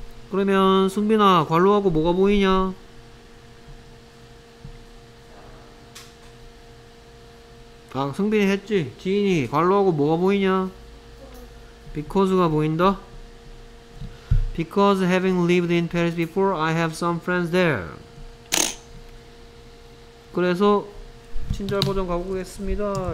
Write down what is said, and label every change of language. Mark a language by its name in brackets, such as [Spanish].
[Korean] 그러면 승빈아, 관로하고 뭐가 보이냐? 아, 승빈이 했지. 지인이, 관로하고 뭐가 보이냐? Because가 보인다. [English] Because having lived in Paris before, I have some friends there. [Korean] 그래서 친절 버전 가보겠습니다.